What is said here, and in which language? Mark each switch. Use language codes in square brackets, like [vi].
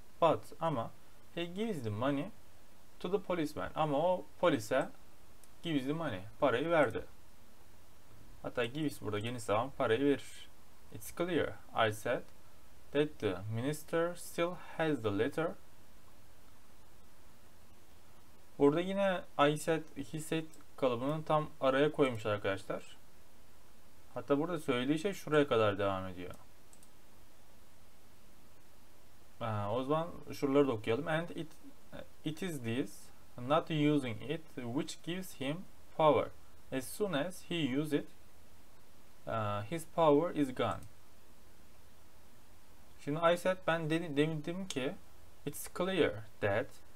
[en] But [tr] ama [en] he gives the money to the policeman. [tr] Ama o polise [en] gives the money. [tr] Parayı verdi. Hatta gives burada geniş zaman parayı verir. [en] It's clear, I said, that the minister still has the letter. [tr] Burada yine I said, he said kalıbını tam araya koymuş arkadaşlar. Hatta burada söylediği şey şuraya kadar devam ediyor. O zaman şuraları da okuyalım. [en] And it is this, not using it, which gives him power. As soon as he use it, his power is gone. [tr] Şimdi I said, ben demedim ki [en] it's clear that.